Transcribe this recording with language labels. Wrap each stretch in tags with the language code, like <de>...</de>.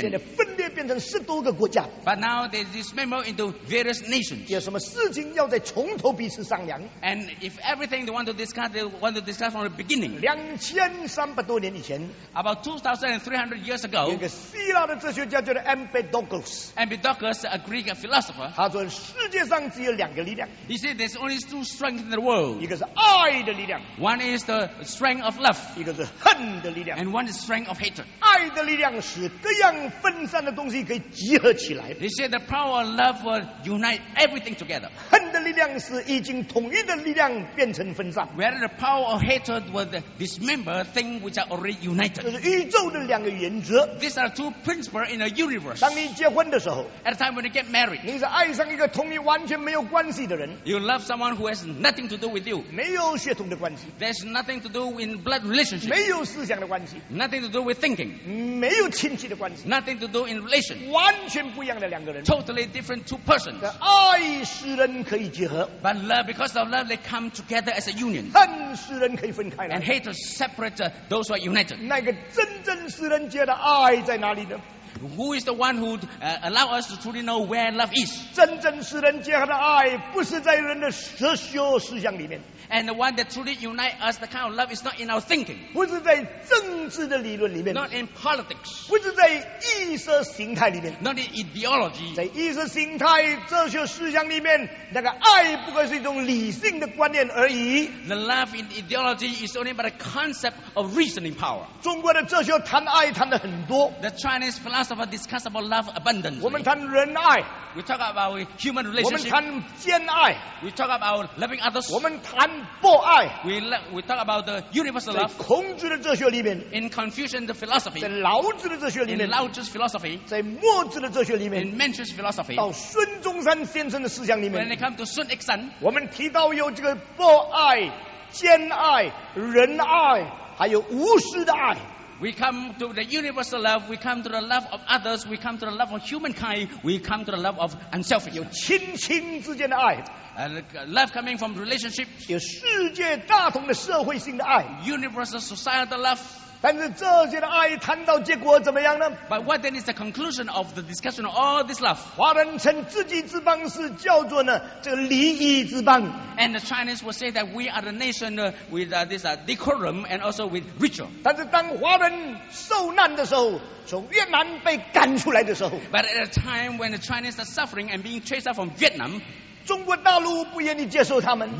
<zh>现在分裂变成十多个国家。</zh> <en>But now they dismembered into various nations.</en> <zh>有什么事情要在从头彼此商量</zh> <en>？And if everything they want to discuss, they want to discuss from the beginning.</en> <zh>2300多年以前</zh> <en>，about 2,300 years ago。</en> <zh>希腊的哲学家叫做 Empedocles</zh> <en>Empedocles a Greek philosopher</en> <zh>他说世界上只有两个力量</zh> <en>He said there's only two strengths in the world</en> <zh>一个是爱的力量</zh> <en>One is the strength of love</en> <zh>一个是恨的力量</zh> <en>And one is strength of hatred</en> <zh>爱的力量使各样分散的东西可以集合起来</zh> <en>He said the power of love will unite everything together</en> <zh>恨的力量使已经统一的力量变成分散</zh> <en>Where the power of hatred will dismember things which are already united</en> <zh>就是宇宙的两个原则</zh> <en>These are two principles in a universe. At the time when you get married, married.</en> <zh>你是爱上一个同你完全没有关系的人。</zh> <en>You love someone who has nothing to do with you.</en> <zh>没有血统的关系。</zh> <en>There's nothing to do in blood relationship.</en> <zh>没有思想的关系。</zh> <en>Nothing to do with thinking.</en> <zh>没有亲戚的关系。</zh> <en>Nothing to do in relation.</en> <zh>完全不一样的两个人。</zh> <en>Totally different two persons.</en> <zh>爱使人可以结合。</zh> <en>But love, because of love, they come together as a union.</en> <zh>恨使人可以分开来。</zh> <en>And hate to separate those who are united.</en> <zh>那个真正使人结的爱在哪里呢？</zh> <en>Who is the one who allow us to truly know where love is?</en> <zh>真正使人结合的爱不是在人的哲学思想里面。</zh> <en>And the one that truly unites us, the kind of love is not in our thinking.</en> <zh>不是在政治的理论里面。</zh> <en>Not in politics.</en> <zh>不是在意识形态里面。</zh> <en>Not in ideology.</en> <zh>在意识形态哲学思想里面，那个爱不过是一种理性的观念而已。</zh> <en>The love in ideology is only but a concept of reasoning power.</en> <zh>中国的哲学谈爱谈的很多。</zh> <en>The Chinese philosopher discuss about love abundantly.</en> <zh>我们谈仁爱。</zh> <en>We talk about human relationship.</en> <zh>我们谈兼爱。</zh> <en>We talk about loving others.</en> <zh>我们谈博爱。</zh> <en>We talk about the universal love.</en> <zh>在孔子的哲学里面。</zh> <en>In Confucian the philosophy.</en> <zh>在老子的哲学里面。</zh> <en>In Lao Tzu's philosophy.</en> <zh>在墨子的哲学里面。</zh> <en>In Manchu's philosophy.</en> <zh>到孙中山先生的思想里面。</zh> <en>When it comes to Sun Yat-sen,</en> <zh>我们提到有这个博爱、兼爱、仁爱，还有无私的爱。</zh> <en>We come to the universal love, we come to the love of others, we come to the love of humankind, we come to the love of unselfishness.</en> <zh>有亲情之间的爱。</zh> <en>Love coming from relationships.</en> <zh>有世界大同的社会性的爱。</zh> <en>Universal societal love.</en> <zh>但是这些的爱谈到结果怎么样呢？</zh> <en>But what then is the conclusion of the discussion of all this love?</en> <zh>华人称自己之邦是叫做呢这个礼仪之邦。</zh> <en>And the Chinese will say that we are the nation with this decorum and also with ritual.</en> <zh>但是当华人受难的时候，从越南被赶出来的时候，</zh> <en>But at a time when the Chinese are suffering and being chased out from Vietnam,</en> <zh>中国大陆不愿意接受他们。</zh>